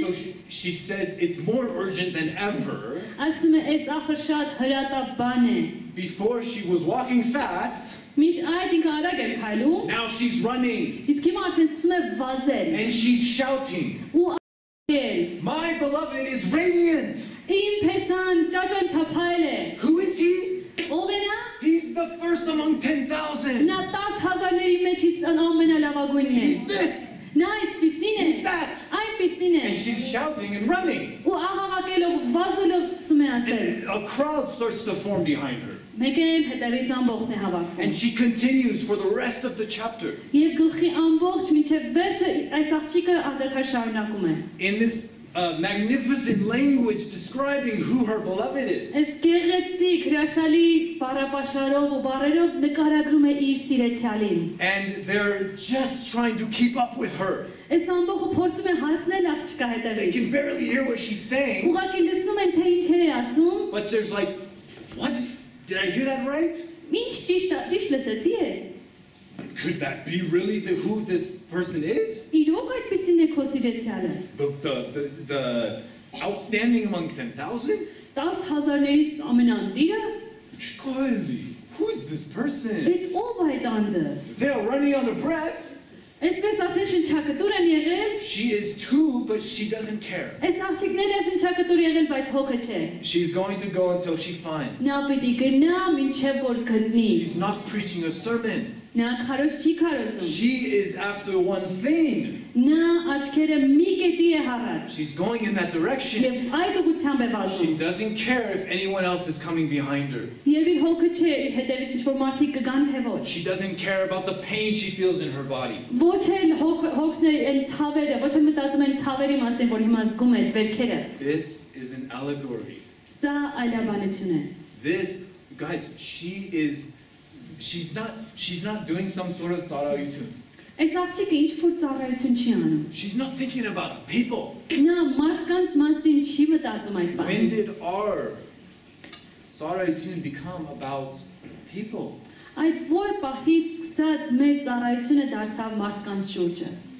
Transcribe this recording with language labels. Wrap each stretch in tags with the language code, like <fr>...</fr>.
<en>So she says it's more urgent than ever.</en> <hy>Ասում է, «Էս ախր շատ հրատապան է»։</hy> <en>Before she was walking fast.</en> <hy>Մինչ այդ ինքը արագ էր քայլում։</hy> <en>Now she's running.</en> <hy>Իսկ հիմա արդեն սկսում է վազել։</hy> <en>And she's shouting. My beloved is radiant.</en> <hy>Իմ փեսան ճաճանչապայլ է։</hy> <en>Who is he?</en> <hy>Ով է նա?</hy> <en>He's the first among 10,000.</en> <hy>Նա 10,000-ների մեջից ամենալավագույնն է։</hy> <en>He's this.</en> <hy>Նա իսպիսին է։</hy> <en>He's that.</en> <hy>Այնպիսին է։</hy> <en>And she's shouting and running.</en> <hy>Ու ահաղակելով վազելով սկսում է ասել։</hy> <en>A crowd starts to form behind her.</en> <hy>Մեկեն հետևից ամբողջն է հավաքվում։</hy> <en>And she continues for the rest of the chapter.</en> <hy>Եվ գլխի ամբողջ մինչև վերջը այս աղջիկը անդադար շարունակում է։</hy> <en>In this magnificent language describing who her beloved is.</en> <hy>Այս գեղեցիկ հրաշալի բառապաշարով ու բառերով նկարագրում է իր սիրեցյալին։</hy> <en>And they're just trying to keep up with her.</en> <hy>Այս ամբողջը փորձում է հասնել աղջիկա հետևից։</hy> <en>They can barely hear what she's saying.</en> <hy>Ուղղակի լսում են թե ինչ է ասում։</hy> <en>But there's like, what? Did I hear that right?</en> <hy>Մինչ ճիշտ լսեցի ես։</hy> <en>Could that be really who this person is?</en> <hy>Իրո՞ք այդպեսին է քո սիրեցյալը։</hy> <en>The outstanding among 10,000?</en> <hy>10,000-ներից ամենանտիրը։</hy> <en>Շկալի, who is this person?</en> <hy>Էդ ո՞վ այդ անձը։</hy> <en>They're running on a breath.</en> <hy>Այսպես արդեն շնչակտուր են եղել։</hy> <en>She is too, but she doesn't care.</en> <hy>Այս աղջիկները շնչակտուր եղել, բայց հոգը չէ։</hy> <en>She's going to go until she finds.</en> <hy>Նա պիտի գնա, մինչև որ գտնի։</hy> <en>She's not preaching a sermon.</en> <hy>Նա քարոզ չի քարոզում։</hy> <en>She is after one thing.</en> <hy>Նա աչքերը մի կետի է հառած։</hy> <en>She's going in that direction.</en> <hy>Եվ այդ ուղությամբ է վազում։</hy> <en>She doesn't care if anyone else is coming behind her.</en> <hy>Եվ իր հոգը չէ իր հետևից ինչ-որ մարդիկ կգան թե ոչ։</hy> <en>She doesn't care about the pain she feels in her body.</en> <hy>Ոչ էլ հոգն այն ցավերը, ոչ էլ մտածում են ցավերի մասին, որ հիմա զգում է վերքերը։</hy> <en>This is an allegory.</en> <hy>Սա այլաբանություն է։</hy> <en>This, guys, she's not doing some sort of tzarayutyun.</en> <hy>Այս աղջիկը ինչ-որ ծառայություն չի անում։</hy> <en>She's not thinking about people.</en> <hy>Նա մարդկանց մասին չի մտածում այդ բանը։</hy> <en>When did our tzarayutyun become about people?</en> <hy>Այդ որ պահից սկսած մեր ծառայությունը դարձավ մարդկանց շուրջը։</hy>